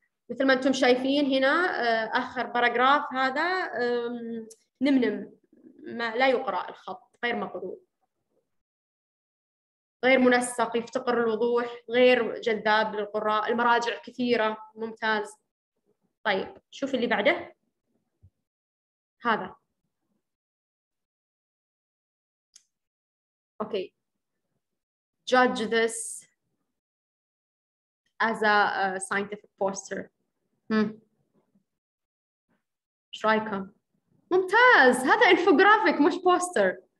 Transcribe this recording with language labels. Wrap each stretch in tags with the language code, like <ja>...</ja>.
<ar>مثل ما أنتم شايفين هنا آخر باراجراف هذا نمنم، ما لا يقرأ، الخط غير مقروء، غير منسق، يفتقر الوضوح، غير جذاب للقراء، المراجع كثيرة، ممتاز. طيب شوف اللي بعده، هذا أوكي.</ar> <en>Judge this as a scientific poster.</en> <ar>شرايكم؟ ممتاز، هذا انفوغرافيك مش بوستر.</ar>